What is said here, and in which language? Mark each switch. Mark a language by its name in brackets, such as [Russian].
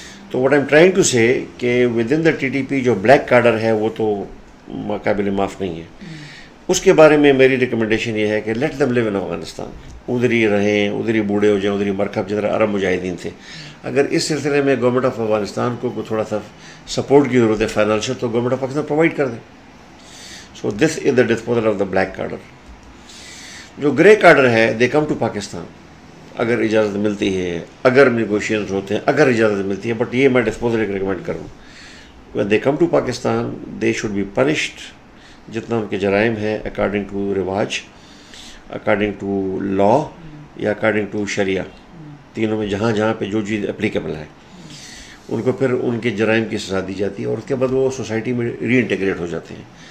[English] تو what I am trying to say کہ within the T T P [Urdu] جو بلیک کارڈر ہے وہ تو قابل معاف نہیں ہے. اس کے بارے میں میری ریکمنڈیشن یہ ہے کہ [English] let them live in Afghanistan, [Urdu] ادھری رہیں, ادھری بوڑھے ہو جائیں, ادھری مرکب جدھر عرب مجاہدین تھے. اگر اس سلسلے میں گورنمنٹ آف افغانستان کو تھوڑا سا سپورٹ کی ضرورت ہے فائنانشیل, تو گورنمنٹ آف پاکستان پرووائڈ کر دیں. [English] So this is the disposal of the black cadre. [Urdu] جو گرے کارڈر ہے, [English] they come to Pakistan [Urdu] اگر اجازت ملتی ہے, اگر نیگوشینس ہوتے ہیں, اگر اجازت ملتی ہے, بٹ یہ میں ڈسپوزل ایک ریکمینڈ کروں. [English] when they come to Pakistan they should be punished [Urdu] جتنا ان کے جرائم ہیں, اکارڈنگ ٹو رواج, اکارڈنگ ٹو لا, یا اکارڈنگ ٹو شریعہ, تینوں میں جہاں جہاں پہ جو چیز اپلیکیبل ہے ان کو پھر ان کے جرائم کی سزا دی جاتی ہے, اور اس کے بعد وہ سوسائٹی میں ری انٹیگریٹ ہو جاتے ہیں.